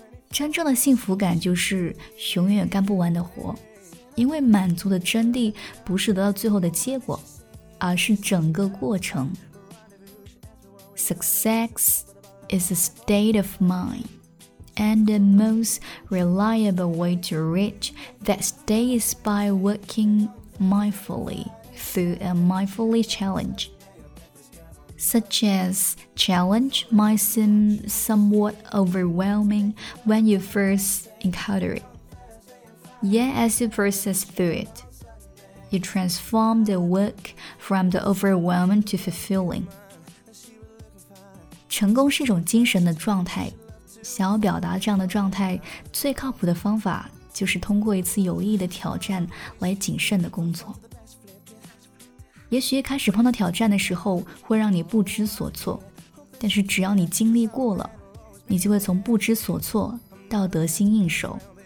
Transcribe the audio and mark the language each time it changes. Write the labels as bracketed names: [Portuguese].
[Chinese] 真正的幸福感就是永远干不完的活，因为满足的真谛不是得到最后的结果，而是整个过程。 [English] Success is a state of mind, and the most reliable way to reach that state is by working mindfully through a mindfully challenge. Such as challenge might seem somewhat overwhelming when you first encounter it. Yet as you process through it, you transform the work from the overwhelming to fulfilling. [Chinese] 成功是一种精神的状态，想要表达这样的状态，最靠谱的方法就是通过一次有意义的挑战来谨慎的工作。也许开始碰到挑战的时候会让你不知所措，但是只要你经历过了，你就会从不知所措到得心应手。